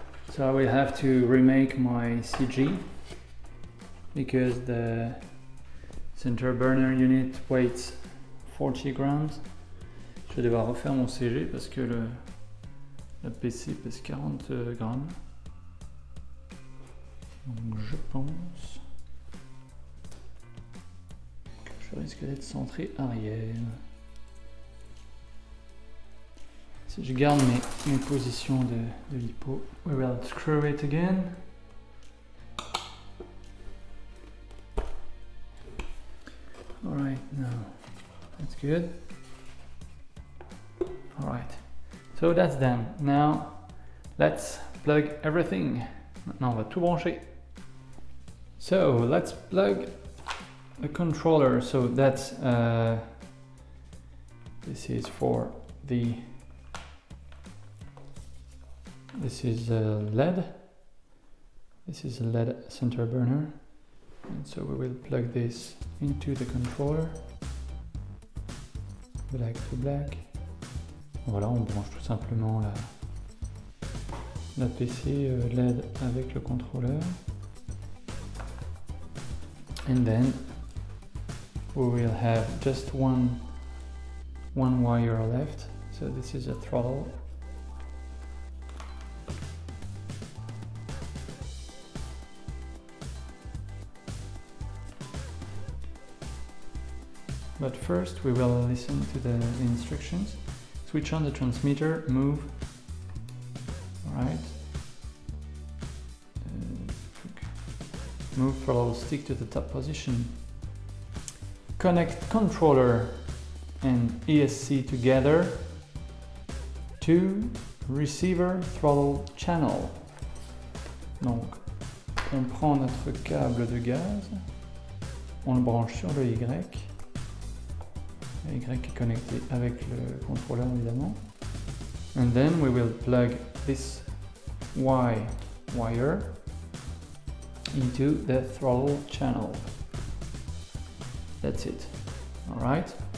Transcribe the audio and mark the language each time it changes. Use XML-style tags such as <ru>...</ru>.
<en>So I will have to remake my CG because the CenterBurner unit weighs 40 grams.</en> <fr>Je vais devoir refaire mon CG parce que la PC pèse 40 grammes. Donc je pense que je risque d'être centré arrière. Si je garde mes positions de lipo,</fr> <en>we will screw it again. Alright, now that's good. Alright, so that's done. Now let's plug everything.</en> <fr>Maintenant on va tout brancher.</fr> <en>So let's plug the controller. So that's this is for the this is a LED. This is a LED center burner. And so we will plug this into the controller. Black to black.</en> <fr>Voilà, on branche tout simplement la PC LED avec le contrôleur.</fr> <en>And then we will have just one wire left. So this is a throttle. But first we will listen to the instructions. Switch on the transmitter, move. Alright. Move throttle stick to the top position. Connect controller and ESC together to receiver throttle channel.</en> <fr>Donc, on prend notre câble de gaz, on le branche sur le Y. Y est connecté avec le contrôleur évidemment.</fr> <en>And then we will plug this Y wire into the throttle channel. That's it. Alright.</en>